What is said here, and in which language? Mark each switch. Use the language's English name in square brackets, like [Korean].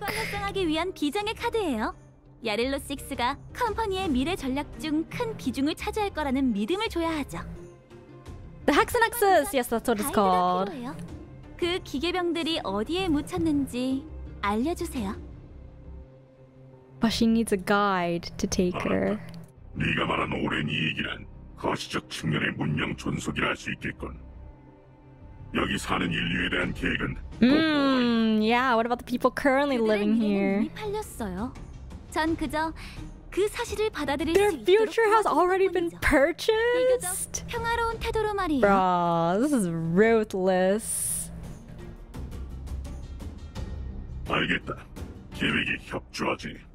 [Korean] 활성화하기 위한 비장의 카드예요. 야릴로 6가 컴퍼니의 미래 전략 중 큰 비중을 차지할 거라는 믿음을 줘야 하죠. [English] The Hexenexus, yes, that's what it's called. [Korean] 그 기계병들이 어디에 묻혔는지 알려주세요. [English] But she needs a guide to take her. [Korean] 네가 말한 오랜 이 얘기란 거시적 측면의 문명 존속이라 할 수 있겠군. 여기 사는 인류에 대한 계획은 [English] Yeah, what about the people currently living here? [Korean] 이미 팔렸어요. 전 그저 그 사실을 받아들일 [English] Their future has already been purchased. [Korean] 평화로운 태도로 말이에요. [English] Bro, this is ruthless. [Korean] 알겠다. 계획에 협조하지.